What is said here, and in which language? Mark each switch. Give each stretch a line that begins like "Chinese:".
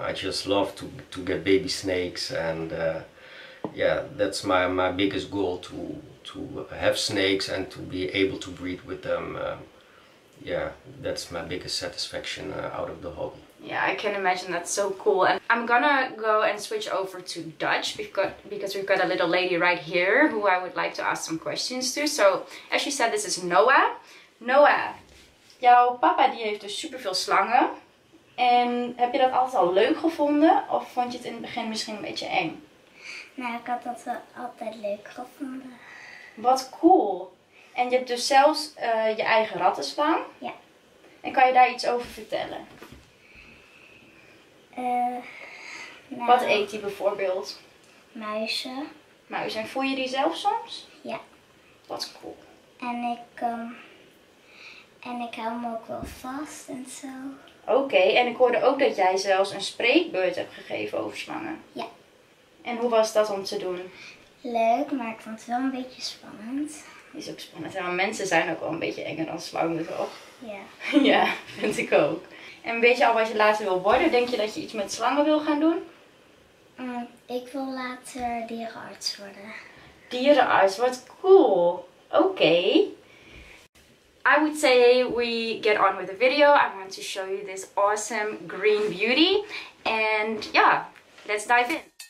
English: I just love to get baby snakes, and that's my biggest goal, to have snakes and to be able to breed with them. That's my biggest satisfaction out of the hobby. Yeah, I can imagine, that's so cool. And I'm gonna go and switch over to Dutch because we've got a little lady right here who I would like to ask some questions to. So, as she said, this is Noah.
Dutch: Noah, jouw papa die heeft dus super veel slangen. En heb je dat altijd al leuk gevonden of vond je het in het begin misschien een beetje eng? Nou, ik had dat altijd leuk gevonden. Wat cool. En je hebt dus zelfs je eigen rattenslang. Ja. En kan je daar iets over vertellen? Wat eet die bijvoorbeeld? Muizen. En voel je die zelf soms? Ja. Dat is cool. En ik hou hem ook wel vast en zo. Oké, en ik hoorde ook dat jij zelfs een spreekbeurt hebt gegeven over slangen. Ja. En hoe was dat om te doen? Leuk, maar ik vond het wel een beetje spannend. Is ook spannend. Maar mensen zijn ook wel een beetje enger dan slangen, toch? Ja. Ja, vind ik ook. En weet je al wat je later wil worden? Denk je dat je iets met slangen wil gaan doen? Ik wil later dierenarts worden.
English: Dierenarts, what's cool. Okay. I would say we get on with the video. I want to show you this awesome green beauty. And yeah, let's dive in.